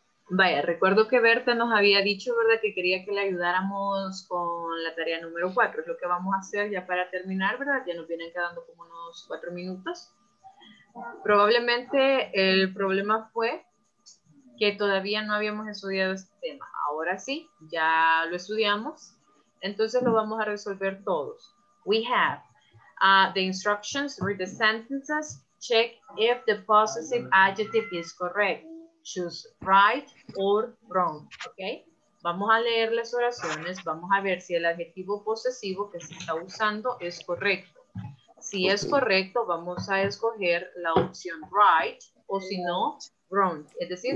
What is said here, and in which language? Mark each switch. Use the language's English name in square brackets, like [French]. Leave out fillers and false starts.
[Spanish] Vaya, recuerdo que Berta nos había dicho, ¿verdad?, que quería que le ayudáramos con la tarea número 4. Es lo que vamos a hacer ya para terminar, ¿verdad? Ya nos vienen quedando como unos 4 minutos. Probablemente el problema fue que todavía no habíamos estudiado este tema. Ahora sí, ya lo estudiamos. Entonces lo vamos a resolver todos. [English] We have the instructions, read the sentences, check if the possessive adjective is correct. Choose right or wrong, ¿ok? [Spanish] Vamos a leer las oraciones, vamos a ver si el adjetivo posesivo que se está usando es correcto. Si es correcto, vamos a escoger la opción right, o si no, wrong, es decir,